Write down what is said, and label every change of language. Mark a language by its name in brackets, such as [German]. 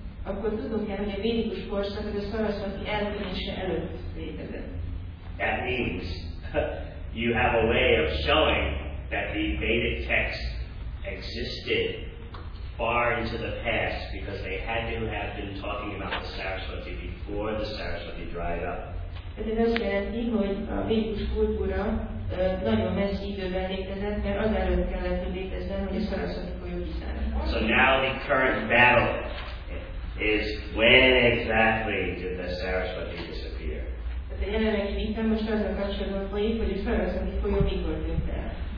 [English] That means you have a way of showing that the Vedic texts existed far into the past because they had to have been talking about the Saraswati before the Saraswati dried up. [Hungarian] Ez azt jelenti, hogy a védikus kultúra nagyon messzi időben létezett, mert az előtt kellett, hogy létezzen, hogy a Saraswati folyó kiszáradt. [English] So now the current battle is when exactly did the Saraswati disappear? [Hungarian] Tehát a jelenlegi vita most azzal kapcsolatban folyik, hogy a Saraswati folyó mikor tűnt el.